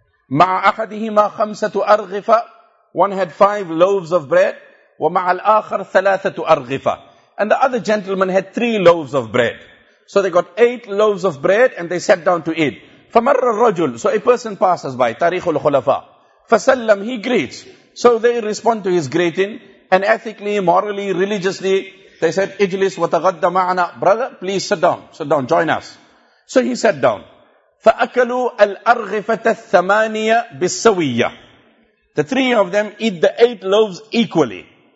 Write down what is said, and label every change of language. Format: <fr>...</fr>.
<ar>مَعَ أَحَدِهِمَا خَمْسَةُ أَرْغِفَ</ar> <en>One had five loaves of bread.</en> <ar>وَمَعَ الْآخَرْ ثَلَاثَةُ أَرْغِفَ</ar> <en>And the other gentleman had three loaves of bread. So they got eight loaves of bread and they sat down to eat.</en> <ar>فَمَرَّ الرَّجُلُ</ar> <en>So a person passes by.</en> <ar>تَارِيخُ الْخُلَفَى فَسَلَّمْ</ar> <en>He greets. So they respond to his greeting. And ethically, morally, religiously, they said,</en> <ar>اجلس وتغدّ معنا.</ar> <en>Brother, please sit down. Sit down, join us. So he sat down.</en> <ar>فَأَكَلُوا الْأَرْغِفَةَ الثَّمَانِيَ بِالسَّوِيَّةِ</ar> <en>The three of them eat the eight loaves equally.</en>